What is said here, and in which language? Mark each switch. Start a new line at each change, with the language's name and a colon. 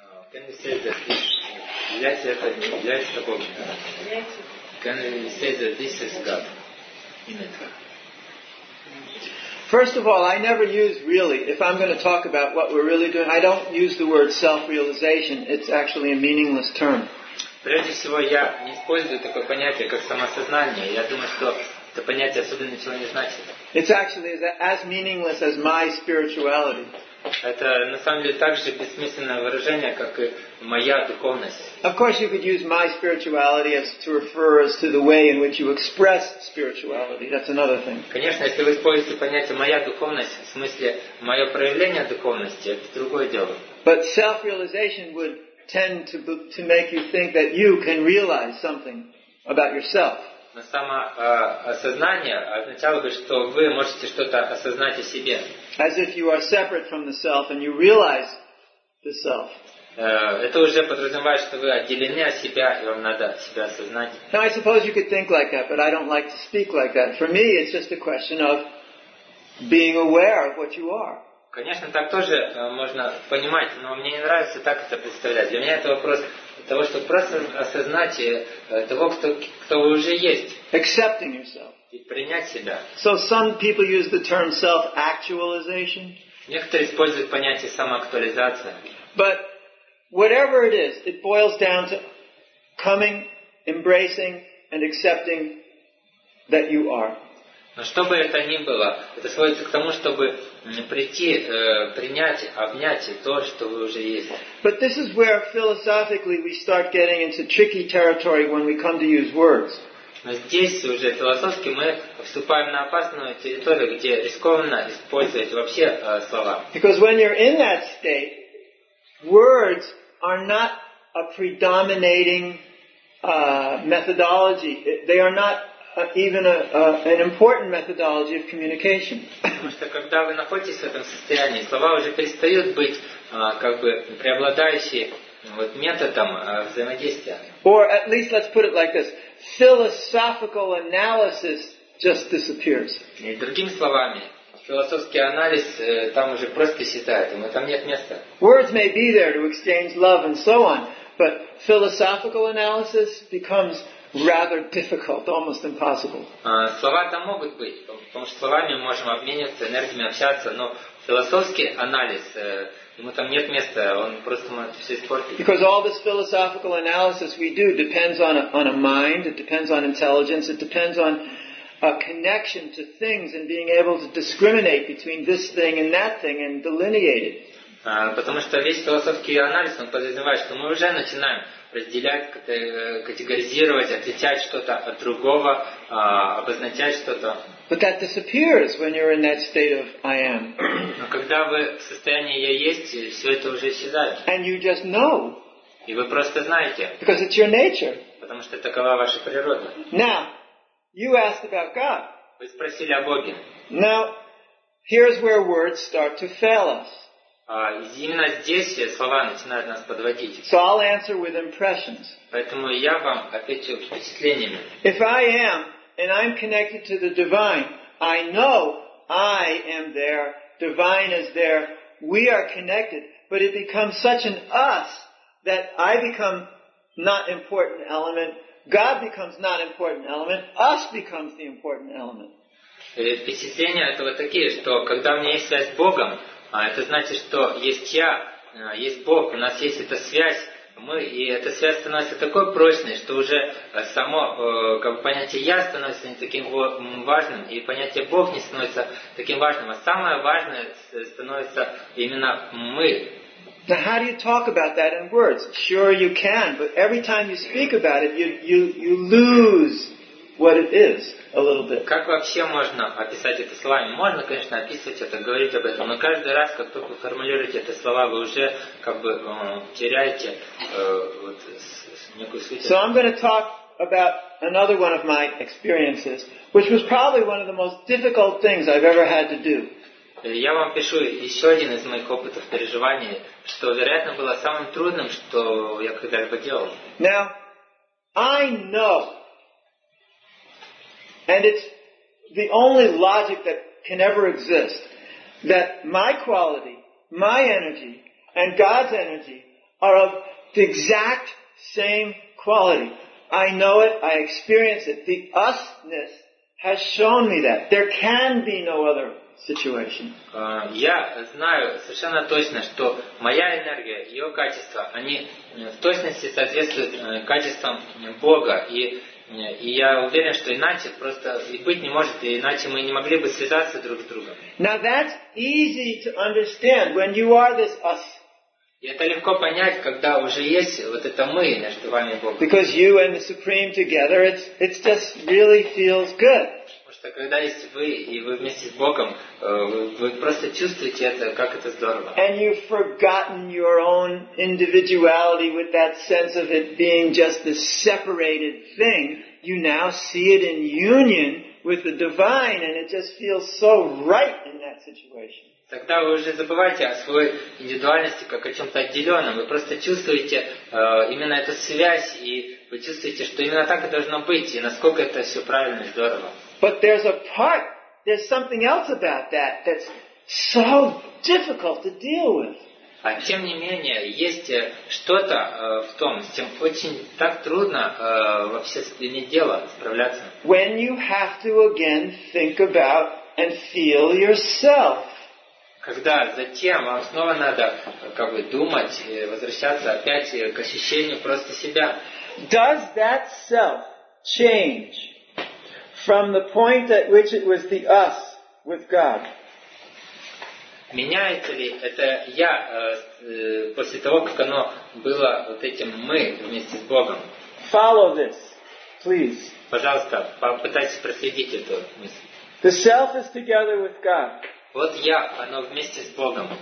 English: Can we say that this
Russian: является Богом?
English: Can we say that this is God? First of all, I never use really, if I'm going to talk about what we're really doing, I don't use the word self-realization. It's actually a meaningless term.
Russian: Прежде всего, я не использую такое понятие, как самосознание. Я думаю, что это понятие особенно ничего не значит.
English: It's actually as meaningless as my spirituality.
Russian: Это на самом деле так же бессмысленное выражение, как и моя духовность.
English: Of course, you could use my spirituality as to refer us to the way in which you express spirituality. That's another thing.
Russian: Конечно, если вы используете понятие моя духовность в смысле мое проявление духовности, это другое дело.
English: But self-realization would tend to make you think that you can realize something about yourself.
Russian: Но самоосознание означало бы, что вы можете что-то осознать о себе.
English: As if you are separate from the self and you realize the self.
Russian: Это уже подразумевает, что вы отделены от себя, и вам надо себя осознать.
English: Now I suppose you could think like that, but I don't like to speak like that. For me, it's just a question of being aware of what you are.
Russian: Конечно, так тоже можно понимать, но мне не нравится так это представлять. Для меня это вопрос того, чтобы просто осознать того, кто вы уже есть.
English: Accepting yourself.
Russian: И принять себя.
English: So some people use the term self-actualization.
Russian: Некоторые используют понятие самоактуализация.
English: But whatever it is, it boils down to coming, embracing and accepting that you are.
Russian: Но что бы это ни было, это сводится к тому, чтобы прийти, принять, обнять то, что вы уже есть.
English: But this is where philosophically we start getting into tricky territory when we come to use words.
Russian: Но здесь уже философски мы вступаем на опасную территорию, где рискованно использовать вообще слова.
English: Because when you're in that state, words are not a predominating methodology. They are not even an important methodology of communication.
Russian: Потому что когда вы находитесь в этом состоянии, слова уже перестают быть как бы преобладающей вот методом взаимодействия.
English: Or at least let's put it like this: philosophical analysis just disappears.
Russian: И другими словами, философский анализ там уже просто исчезает, ему там нет места.
English: Words may be there to exchange love and so on, but philosophical analysis becomes rather difficult, almost impossible.
Russian: Слова там могут быть, потому что словами мы можем обмениваться энергиями, общаться, но философский анализ ему там нет места, он просто может все испортить.
English: Because all this philosophical analysis we do depends on a mind, it depends on intelligence, it depends on a connection to things and being able to discriminate between this thing and that thing and delineate it.
Russian: Потому что весь философский анализ он подразумевает, что мы уже начинаем разделять, категоризировать, отличать что-то от другого, обозначать что-то.
English: But that disappears when you're in that state of I am.
Russian: Но когда вы в состоянии я есть, все это уже исчезает.
English: And you just know.
Russian: И вы просто знаете.
English: Because it's your nature.
Russian: Потому что такова ваша природа.
English: Now, you asked about God.
Russian: Вы спросили о Боге.
English: Now, here's where words start to fail us.
Russian: Именно здесь слова начинают нас подводить.
English: So I'll answer with impressions.
Russian: Поэтому я вам отвечу впечатлениями.
English: If I am and I'm connected to the divine, I know I am there, divine is there, we are connected, but it becomes such an us that I become not important element, God becomes not important element, us becomes the important element.
Russian: Впечатления это вот такие, что когда у меня есть связь с Богом, это значит, что есть я, есть Бог, у нас есть эта связь, мы, и эта связь становится такой прочной, что уже само как бы понятие я становится не таким важным, и понятие Бог не становится таким важным, а самое важное становится именно мы.
English: Now how do you talk about that in words? Sure you can, but every time you speak about it, you lose what it is a little bit.
Russian: Как вообще можно описать это словами? Можно, конечно, описывать это, говорить об этом, но каждый раз, как только вы формулируете это слова, вы уже как бы теряете вот некую суть.
English: So I'm going to talk about another one of my experiences, which was probably one of the most difficult things I've ever had to do.
Russian: Я вам пишу еще один из моих опытов переживаний, что, вероятно, было самым трудным, что я когда-либо делал.
English: Now I know. And it's the only logic that can ever exist, that my quality, my energy, and God's energy are of the exact same quality. I know it, I experience it. The usness has shown me that. There can be no other situation.
Russian: Я знаю совершенно точно, что моя энергия, ее качество, они в точности соответствуют качествам Бога. И я уверен, что иначе просто и быть не может, и иначе мы не могли бы связаться друг с другом.
English: Now that's easy to understand when you are this us.
Russian: И это легко понять, когда уже есть вот это мы между вами и Богом.
English: Because you and the Supreme together, it's just really feels good.
Russian: Потому что когда есть вы и вы вместе с Богом, вы просто чувствуете это, как это здорово.
English: And you've forgotten your own individuality with that sense of it being just this separated thing. You now see it in union with the divine, and it just feels so right in that situation.
Russian: Тогда вы уже забываете о своей индивидуальности как о чем-то отделенном. Вы просто чувствуете именно эту связь, и вы чувствуете, что именно так и должно быть, и насколько это все правильно и здорово.
English: But there's a part, there's something else about that that's so difficult to deal with.
Russian: А тем не менее, есть что-то в том, с чем очень так трудно вообще с ними дело справляться.
English: When you have to again think about and feel yourself.
Russian: Когда затем вам снова надо как бы думать, возвращаться опять к ощущению просто себя.
English: Does that self change from the point at which it was the us with God?
Russian: Меняется ли это я после того, как оно было вот этим мы вместе с Богом?
English: Follow this, please.
Russian: Пожалуйста, попытайтесь проследить эту мысль.
English: The self is together with God.
Russian: Вот я, оно вместе с Богом.